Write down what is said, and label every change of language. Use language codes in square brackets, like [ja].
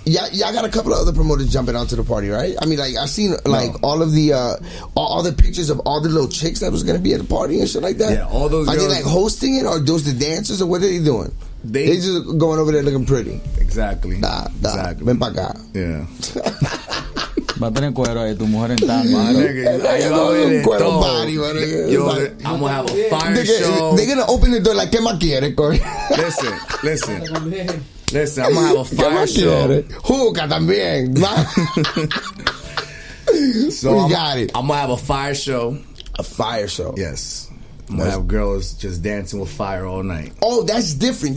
[en] Y'all got a couple of other promoters jumping onto the party, right? I mean, like, I've seen, like, all of the, all the pictures of all the little chicks that was gonna be at the party and shit like that. Yeah, all those Are girls, they, like, hosting it, or those the dancers, or what are they doing? They just going over there looking pretty. Exactly. Nah. Exactly. [es] Ven pa' acá. [en] Yeah. [es] Va a tener cuero ahí, tu mujer en tango. Ahí va a haber un cuero todo. [en] Body, man. Yo, I'm gonna have a fire they're show. They're gonna open the door like, [es] ¿qué más quiere, coño? [en] Listen, I'm gonna have a fire show. [es] Juca también. [en] So we got it. I'm gonna have a fire show. A fire show? Yes. I'm gonna have girls just dancing with fire all night. Oh, that's different.